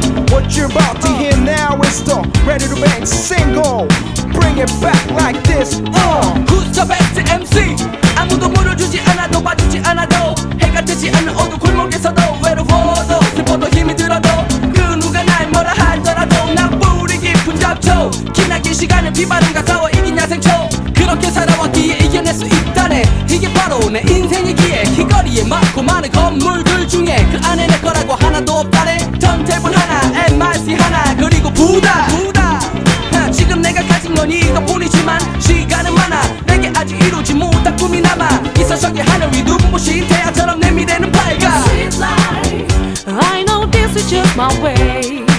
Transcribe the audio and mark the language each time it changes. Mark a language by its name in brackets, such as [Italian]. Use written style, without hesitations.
[English] What you're about to hear now is the ready to bang single. Bring it back like this. Who's the best MC? [Korean] 아무도 물어주지 않아도 봐주지 않아도 해가 뜨지 않는 어두운 골목에서도 외로워도 슬퍼도 힘이 들어도 그 누가 날 뭐라 하더라도 나 뿌리 깊은 잡초 기나긴 시간을 비바람과 싸워 이긴 야생초. 그렇게 살아왔기에 이겨낼 수 있다네. 이게 바로 내 인생이기에. 길거리에 많고 많은 건물들 중에 그 안에 내꺼라고 하나도 없다네. 턴테이블 하나, M.U.S.I.C 하나, 그리고 부다. 지금 내가 가진 건 이것뿐이지만 시간은 많아. 내게 아직 이루지 못한 꿈이 남아 있어. 저기 하늘 위 눈부신 태양처럼 내 미래는 밝아. [English] Street life, I know this is just my way.